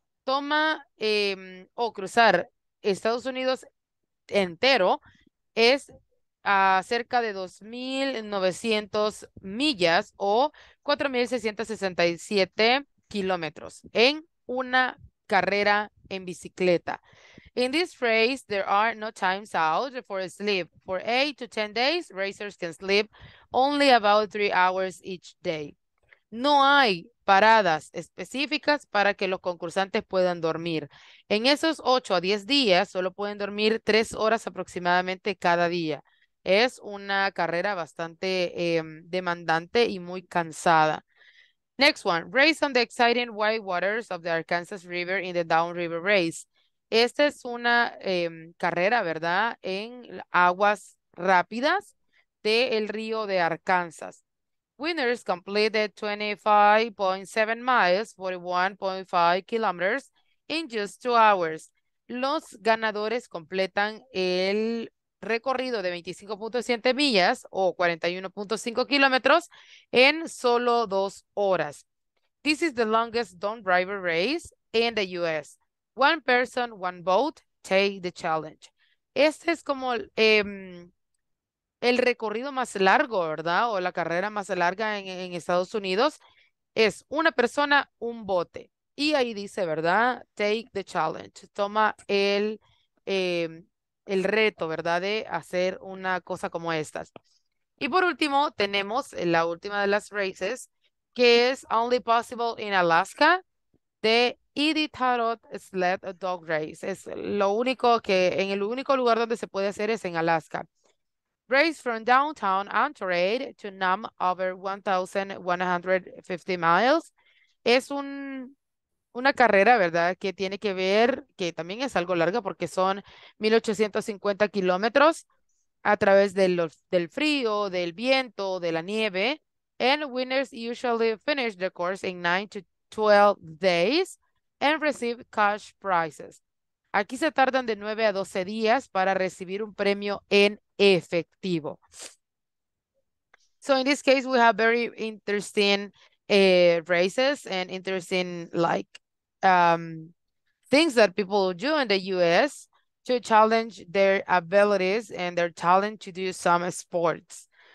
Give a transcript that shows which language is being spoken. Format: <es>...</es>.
<es>Toma cruzar Estados Unidos entero es a cerca de 2,900 millas o 4,667 kilómetros en una carrera en bicicleta.</es> <en>In this race, there are no times out for sleep. For 8 to 10 days, racers can sleep only about 3 hours each day.</en> <es>No hay paradas específicas para que los concursantes puedan dormir. En esos 8 a 10 días, solo pueden dormir 3 horas aproximadamente cada día. Es una carrera bastante demandante y muy cansada.</es> <en>Next one, race on the exciting white waters of the Arkansas River in the Down River Race.</en> <es>Esta es una carrera, ¿verdad? En aguas rápidas del río de Arkansas.</es> <en>Winners completed 25.7 miles, 41.5 kilometers, in just 2 hours.</en> <es>Los ganadores completan el recorrido de 25.7 millas o 41.5 kilómetros en solo 2 horas.</es> <en>This is the longest down river race in the US. One person, one boat, take the challenge.</en> <es>Este es como el recorrido más largo, ¿verdad? O la carrera más larga en Estados Unidos. Es una persona, un bote. Y ahí dice, ¿verdad?</es> <en>Take the challenge.</en> <es>Toma el reto, ¿verdad? De hacer una cosa como estas. Y por último, tenemos la última de las races, que es</es> <en>Only Possible in Alaska,</en> <es>de Iditarod Sled Dog Race. Es lo único en el único lugar donde se puede hacer es en Alaska.</es> <en>Race from downtown Anchorage to Nome over 1,150 miles.</en> <es>Es una carrera, ¿verdad? Que tiene que ver, que también es algo larga porque son 1,850 kilómetros a través del frío, del viento, de la nieve.</es> <en>And winners usually finish the course in 9 to 12 days and receive cash prizes.</en> <es>Aquí se tardan de 9 a 12 días para recibir un premio en efectivo.</es> <en>So in this case, we have very interesting races and interesting like things that people do in the US to challenge their abilities and their talent to do some sports.</en>